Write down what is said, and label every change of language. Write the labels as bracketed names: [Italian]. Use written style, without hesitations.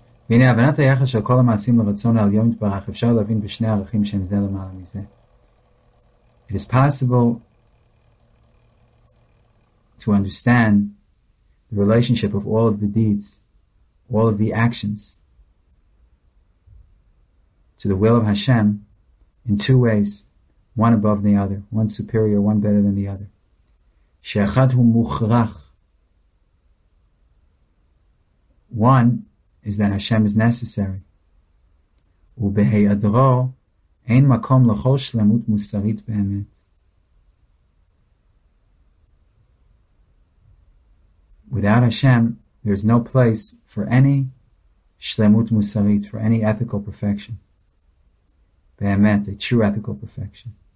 [Hebrew] והנה הבנת היחס של כל המעשים לרצון העליון מתברך אפשר להבין בשני ערכים שהם זה למעלה מזה. [English] It is possible to understand the relationship of all of the deeds, all of the actions, to the will of Hashem in two ways, one above the other, one superior, one better than the other. [Hebrew] שאחד הוא מוכרח. [English] One is that Hashem is necessary. [Hebrew] ובהיעדרו אין מקום לכל שלמות מוסרית באמת. [English] Without Hashem, there is no place for any shlemut musarit, for any ethical perfection. Be'emet, a true ethical perfection.